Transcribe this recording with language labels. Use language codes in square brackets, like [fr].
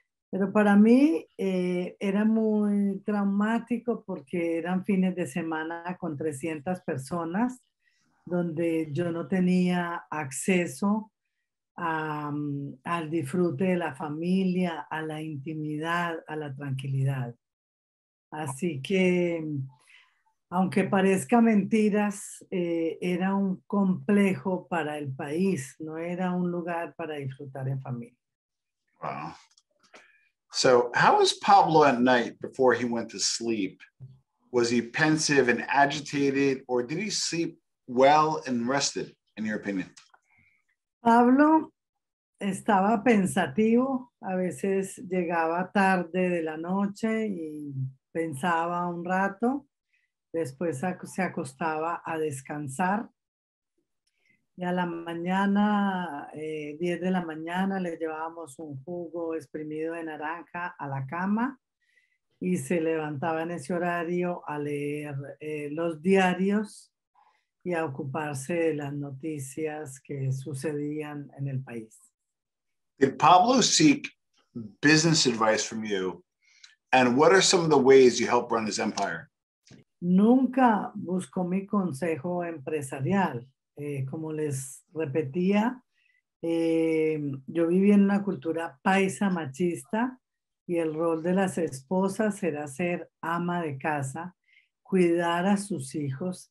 [es] Pero para mí era muy traumático porque eran fines de semana con 300 personas, donde yo no tenía acceso al disfrute de la familia, a la intimidad, a la tranquilidad. Así que, aunque parezca mentiras, era un complejo para el país, no era un lugar para disfrutar en familia. [en] Wow. So how was Pablo at night before he went to sleep? Was he pensive and agitated, or did he sleep well and rested, in your opinion? [es] Pablo estaba pensativo. A veces llegaba tarde de la noche y pensaba un rato. Después se acostaba a descansar. Y a la mañana, 10 de la mañana, le llevábamos un jugo exprimido de naranja a la cama y se levantaba en ese horario a leer los diarios y a ocuparse de las noticias que sucedían en el país. [en] Did Pablo seek business advice from you? And what are some of the ways you help run his empire? [es] Nunca buscó mi consejo empresarial. Como les repetía, yo viví en una cultura paisa machista y el rol de las esposas era ser ama de casa, cuidar a sus hijos.